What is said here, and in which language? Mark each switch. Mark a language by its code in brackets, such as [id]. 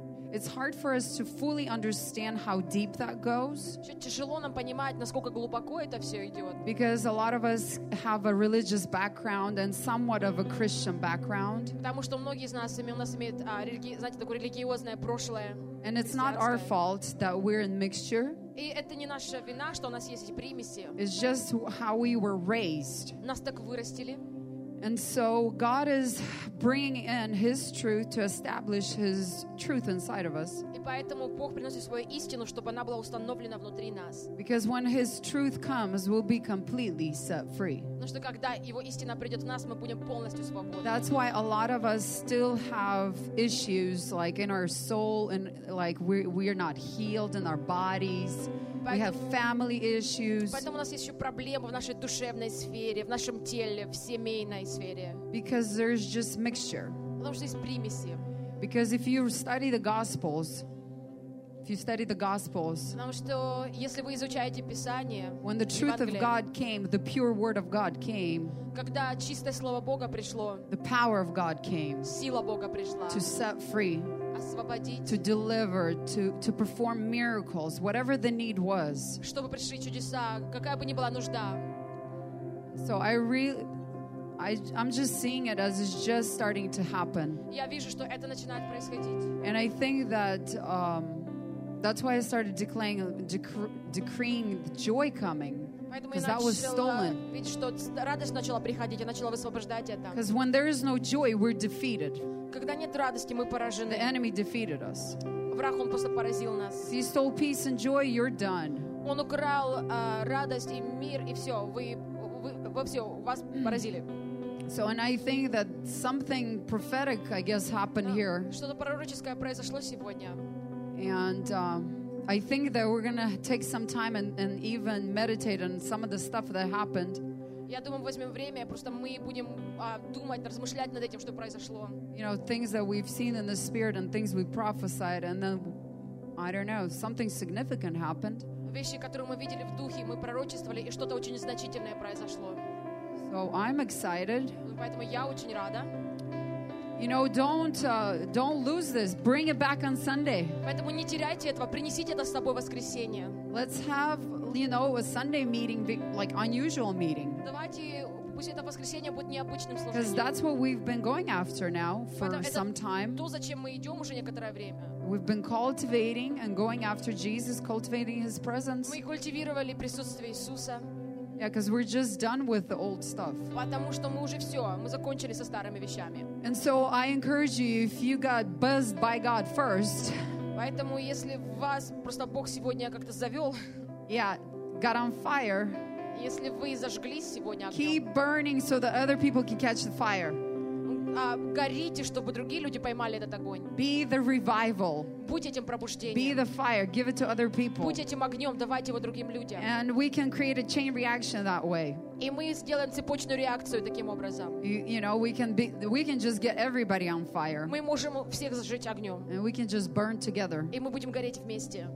[en] It's hard for us to fully understand how deep that goes. [ru] Тяжело нам понимать, насколько глубоко это все идет. [en] Because a lot of us have a religious background and somewhat of a Christian background. [ru] Потому что многие из нас у нас имеют, знаете, такое религиозное прошлое. [en] And it's not our fault that we're in mixture. [ru] И это не наша вина, что у нас есть эти примеси. [en] It's just how we were raised. [ru] Нас так вырастили. [en] And so God is bringing in His truth to establish His truth inside of us. [ru] И поэтому Бог приносит свою истину, чтобы она была установлена внутри нас. [en] Because when His truth comes, we'll be completely set free. [ru] Потому что когда Его истина придет в нас, мы будем полностью свободны. [en] That's why a lot of us still have issues, like in our soul, and like we are not healed in our bodies. We have family issues. [ru] Поэтому у нас есть еще проблемы в нашей душевной сфере, в нашем теле, в семейной сфере. [en] Because there's just mixture. [ru] Потому что есть примеси. [en] Because if you study the Gospels, [ru] Потому что если вы изучаете Писание, [en] when the truth of God came, the pure word of God came. [ru] Когда чистое слово Бога пришло, [en] the power of God came. [ru] Сила Бога пришла. [en] To set free. To deliver, to perform miracles, whatever the need was. [ru] Чтобы пришли чудеса, какая бы ни была нужда. [en] So I'm just seeing it as it's just starting to happen. [ru] Я вижу, что это начинает происходить. [en] And I think that that's why I started decreeing the joy coming. Because that was stolen. [ru] Ведь что радость начала приходить, я начала высвобождать это. [en] Because when there is no joy, we're defeated. [ru] Когда нет радости, мы поражены. [en] The enemy defeated us. [ru] Враг, он просто поразил нас. [en] He stole peace and joy, you're done. [ru] Он украл радость и мир, и все, вы все, вас поразили. [en] So, and I think that something prophetic, I guess, happened here. [ru] Что-то пророческое произошло сегодня. [en] And I think that we're going to take some time and even meditate on some of the stuff that happened. [ru] Я думаю, возьмем время, просто мы будем думать, размышлять над этим, что произошло. [en] You know, things that we've seen in the spirit and things we prophesied, and then, I don't know, something significant happened. [ru] Вещи, которые мы видели в духе, мы пророчествовали, и что-то очень значительное произошло. [en] So I'm excited. [ru] Поэтому я очень рада. [en] You know, don't lose this. Bring it back on Sunday. [ru] Поэтому не теряйте этого. Принесите это с собой в воскресенье. [en] Let's have, you know, a Sunday meeting, like unusual meeting. [ru] Давайте, пусть это воскресенье будет необычным служением. [en] Because that's what we've been going after now for some time. [ru] То, зачем мы идем уже некоторое время. [en] We've been cultivating and going after Jesus, cultivating His presence. [ru] Мы культивировали присутствие Иисуса. [en] Yeah, because we're just done with the old stuff. [ru] Потому что мы уже все, мы закончили со старыми вещами. [en] And so I encourage you, if you got buzzed by God first. [ru] Поэтому если вас просто Бог сегодня как-то завел. [en] Yeah, got on fire. [ru] Если вы зажглись сегодня. [en] Keep burning so that other people can catch the fire. [ru] Горите, чтобы другие люди поймали этот огонь. [en] Be the revival. [ru] Будь этим пробуждением. [en] Be the fire. Give it to other people. [ru] Будь этим огнем, давайте его другим людям. [en] And we can create a chain reaction that way. [ru] И мы сделаем цепочную реакцию таким образом. [en] You know, we can just get everybody on fire. [ru] Мы можем всех зажечь огнем. [en] And we can just burn together. [ru] И мы будем гореть вместе.